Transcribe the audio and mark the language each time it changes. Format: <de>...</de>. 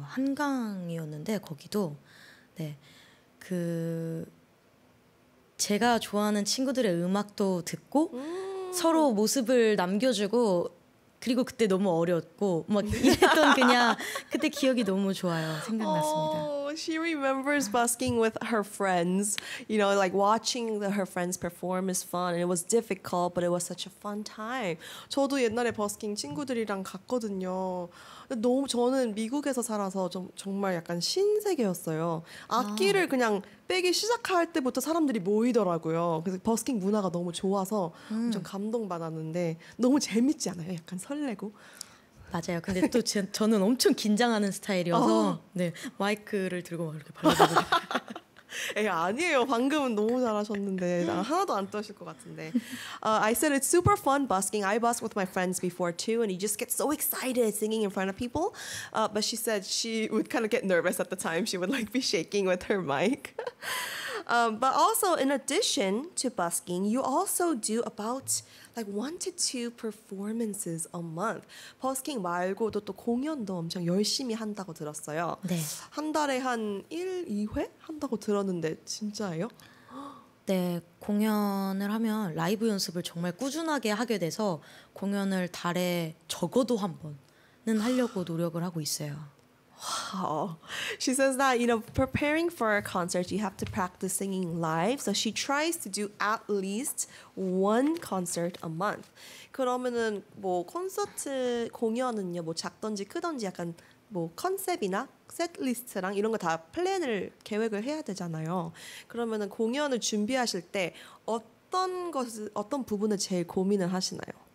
<ko>한강이었는데 거기도 네, 그... 제가 좋아하는 친구들의 음악도 듣고 서로 모습을 남겨주고 그리고 그때 너무 어렸고 막 이랬던 그냥 그때 기억이 너무 좋아요. 생각났습니다.</ko> <en>Oh, she remembers busking with her friends. You know, like watching her friends perform is fun. And it was difficult, but it was such a fun time.</en> <ko>저도 옛날에 버스킹 친구들이랑 갔거든요. 너무 저는 미국에서 살아서 정말 약간 신세계였어요. 악기를 그냥 빼기 시작할 때부터 사람들이 모이더라고요. 그래서 버스킹 문화가 너무 좋아서 엄청 감동받았는데 너무 재밌지 않아요? 약간 설레고. 맞아요. 근데 또 저는 엄청 긴장하는 스타일이어서 네 마이크를 들고 막 이렇게 발라드리고. 에 아니에요. 방금은 너무 잘하셨는데 나 하나도 안 떠실 것 같은데.</ko> <en>I said it's super fun busking. I busked with my friends before too, and you just get so excited singing in front of people. But she said she would kind of get nervous at the time. She would like be shaking with her mic. But also in addition to busking, you also do about like 1 to 2 performances a month.</en> <ko>버스킹 말고도 또 공연도 엄청 열심히 한다고 들었어요. 네. 한 달에 한 1, 2회 한다고 들었는데 진짜예요? 네, 공연을 하면 라이브 연습을 정말 꾸준하게 하게 돼서 공연을 달에 적어도 한 번은 하려고 노력을 하고 있어요.</ko> <en>Wow. She says that, you know, preparing for a concert, you have to practice singing live. So she tries to do at least one concert a month.</en> <ko>그러면은 뭐 콘서트 공연은요, 뭐 작던지 크던지 약간 뭐 컨셉이나 셋리스트랑 이런 거다 플랜을 계획을 해야 되잖아요. 그러면은 공연을 준비하실 때 어떤 부분을 제일 고민을 하시나요?</ko>